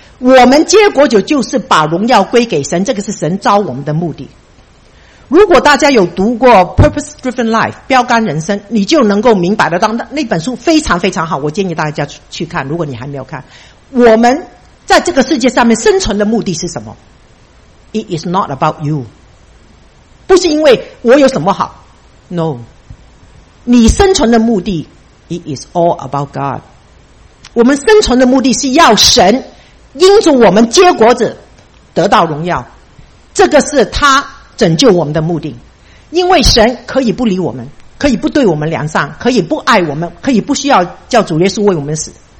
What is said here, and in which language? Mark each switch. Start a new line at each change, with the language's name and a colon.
Chinese: 我们结果子就是把荣耀归给神，这个是神召我们的目的。如果大家有读过 Purpose Driven Life 标杆人生，你就能够明白得到，那本书非常非常好，我建议大家去看，如果你还没有看。我们在这个世界上面生存的目的是什么？
English: It is not about you，
Chinese: 不是因为我有什么好。
English: No，
Chinese: 你生存的目的，
English: It is all about God。
Chinese: 我们生存的目的是要神因着我们结果子得到荣耀，这个是他拯救我们的目的。因为神可以不理我们，可以不对我们良善，可以不爱我们，可以不需要叫主耶稣为我们死。